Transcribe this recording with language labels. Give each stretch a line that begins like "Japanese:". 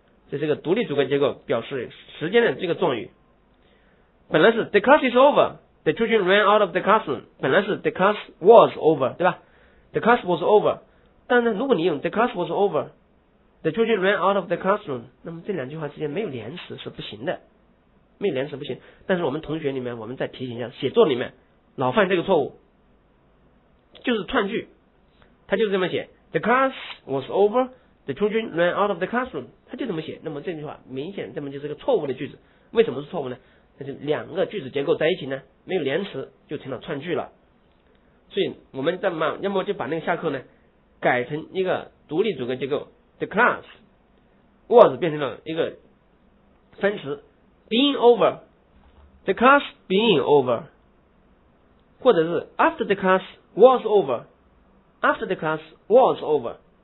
Chinese: 这是一个独立主观结构，表示时间的这个状语。本来是
English: the class is over， the children ran out of the classroom。
Chinese: 本来是
English: the class was over，
Chinese: 对吧？
English: The class was over。
Chinese: 但是如果你用
English: the class was over， the children ran out of the classroom，
Chinese: 那么这两句话之间没有连词是不行的，没有连词不行。但是我们同学里面，我们再提醒一下，写作里面老犯这个错误，就是串句，他就是这么写 ，
English: the class was over。 The children ran out of the classroom，
Chinese: 他就这么写。那么这句话明显这么就是个错误的句子。为什么是错误呢？那就两个句子结构在一起呢，没有连词就成了串句了。所以我们再慢，要么就把那个下课呢改成一个独立组合结构。
English: The class was
Chinese: 变成了一个分词
English: ，being over， the class being over，
Chinese: 或者是
English: after the class was over， after the class was over。